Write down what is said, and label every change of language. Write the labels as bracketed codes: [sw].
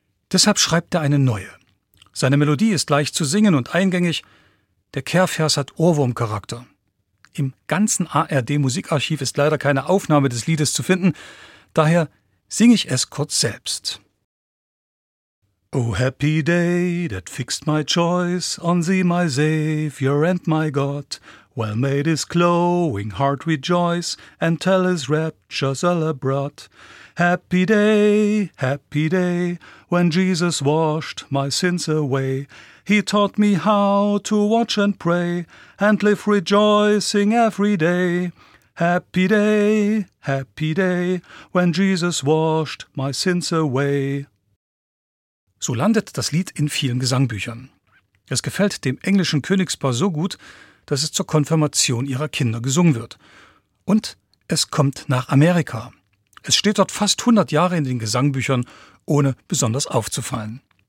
[de] Deshalb schreibt er eine neue. Seine Melodie ist leicht zu singen und eingängig. Der Kehrvers hat Ohrwurmcharakter. Im ganzen ARD-Musikarchiv ist leider keine Aufnahme des Liedes zu finden, daher singe ich es kurz selbst. [en] Oh happy day that fixed my choice on thee, my Savior and my God. Well may this glowing heart rejoice and tell his raptures all abroad. Happy day, when Jesus washed my sins away. He taught me how to watch and pray and live rejoicing every day. Happy day, when Jesus washed my sins away. [de] So landet das Lied in vielen Gesangbüchern. Es gefällt dem englischen Königspaar so gut, dass es zur Konfirmation ihrer Kinder gesungen wird. Und es kommt nach Amerika. Es steht dort fast 100 Jahre in den Gesangbüchern, ohne besonders aufzufallen.